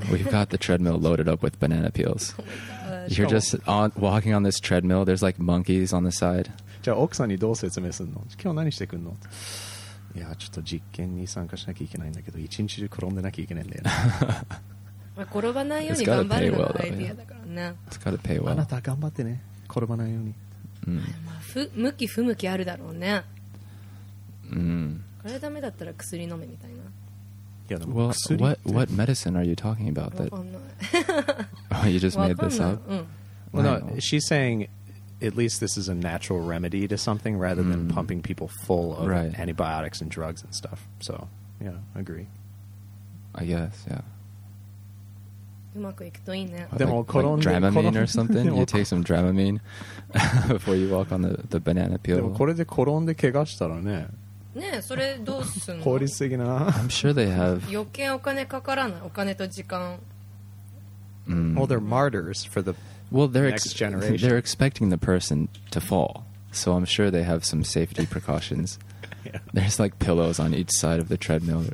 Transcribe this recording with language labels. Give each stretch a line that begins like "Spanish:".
English: We've got the treadmill loaded up with banana peels. You're just walking on this treadmill. There's like monkeys on the side.
Japanese: じゃあ奥さんにどう説明するの?今日何してくんの?いやちょっと実験に参加しなきゃいけないんだけど、一日中転んでなきゃいけないんだよ。転ばないように頑張るのがアイデアだからね。
English: It's gotta pay well.
Japanese: あなた頑張ってね。転ばないように。向き不向きあるだろうね。うん。これダメだったら薬飲めみたいな。
English: Well, what medicine are you talking about? That you just made this up? Well, no, she's saying at least this is a natural remedy to something rather than pumping people full of antibiotics and drugs and stuff. So, yeah, I agree. I guess, yeah.
Japanese: うまくいくといいね。でもコロン
English: Dramamine or something? You take some Dramamine before you walk on the banana peel.
Japanese: でもこれで転んで怪我したらね。ね、それどうすんの？効率的な。I'm
English: sure they have.
Japanese: 余計お金かからない。お金と時間。
English: Well, they're martyrs for the next generation. They're expecting the person to fall, so I'm sure they have some safety precautions. Yeah. There's like pillows on each side of the treadmill.